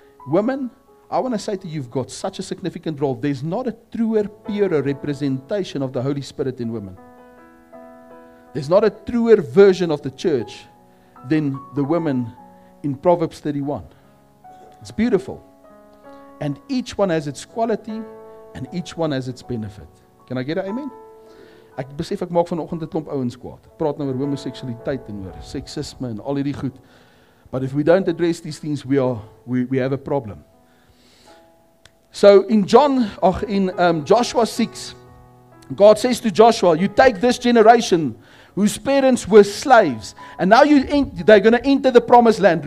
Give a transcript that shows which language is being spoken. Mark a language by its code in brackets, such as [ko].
[en] Women, I want to say to you, you've got such a significant role. There's not a truer, purer representation of the Holy Spirit in women. There's not a truer version of the church than the women in Proverbs 31. It's beautiful. And each one has its quality, and each one has its benefit. Can I get an amen? [af] Ek besef ek maak vanoggend 'n klomp ouens kwaad. Ek praat nou oor homoseksualiteit en oor seksisme en al hierdie goed. [en] But if we don't address these things, we have a problem. So in Joshua 6, God says to Joshua, you take this generation whose parents were slaves, and now they're going to enter the promised land.